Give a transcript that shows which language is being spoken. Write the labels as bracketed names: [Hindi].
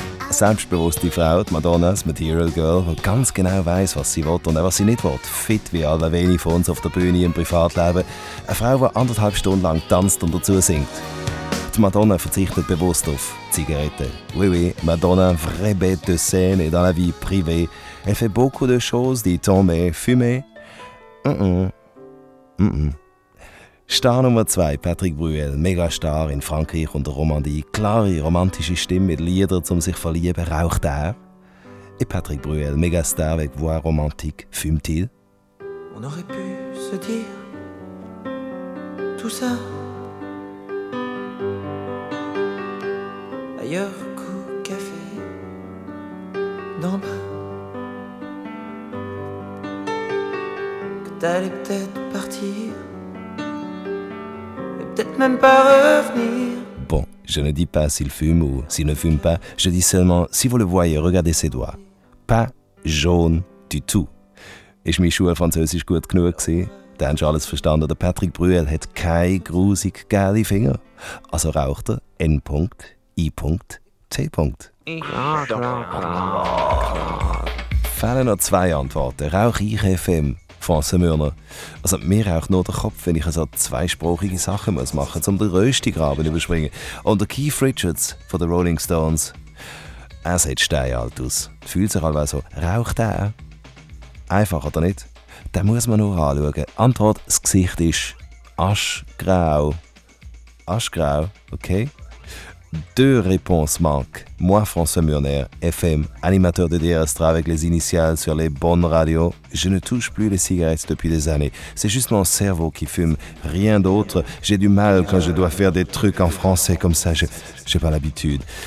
[German] Selbstbewusste Frau, die Madonna, das Material Girl, die ganz genau weiss, was sie will und auch was sie nicht will. Fit wie alle wenige von uns auf der Bühne im Privatleben. Eine Frau, die anderthalb Stunden lang tanzt und dazu singt. Die Madonna verzichtet bewusst auf Zigaretten. [French] Oui, oui, Madonna, vraie bête de scène et dans la vie privée. Elle fait beaucoup de choses, dit on, mais fumer. [German] Star Nummer 2, Patrick Bruel, Megastar in Frankreich und der Romandie. Klare, romantische Stimme mit Liedern, um sich verlieben, raucht er? [French] Et Patrick Bruel, Megastar avec voix romantique, fume-t-il? On aurait pu se dire tout ça ailleurs qu'au café d'en bas, que t'allais peut-être partir. Peut-être même pas revenir. Bon, je ne dis pas s'il fume ou s'il ne fume pas. Je dis seulement, si vous le voyez, regardez ses doigts. Pas jaune du tout. [German] Ist meine Schule französisch gut genug gewesen? Dann hast du alles verstanden. Der Patrick Bruel hat keine grusig gelbe Finger. Also raucht er N. I. T. Fehlen noch zwei Antworten. Rauch ich FM? François Mürner. Also mir raucht nur der Kopf, wenn ich so zweisprachige Sachen muss machen muss, um den Röstigraben überspringen. Und der Keith Richards von den Rolling Stones. Er sieht steinalt aus. Fühlt sich also so. Raucht er? Einfach oder nicht? Den muss man nur anschauen. Antwort, das Gesicht ist aschgrau. Aschgrau, okay. [French] Deux réponses manquent. Moi, François Murner, FM, animateur de DRS3 avec les initiales sur les bonnes radios. Je ne touche plus les cigarettes depuis des années. C'est juste mon cerveau qui fume, rien d'autre. J'ai du mal quand je dois faire des trucs en français comme ça, je n'ai pas l'habitude.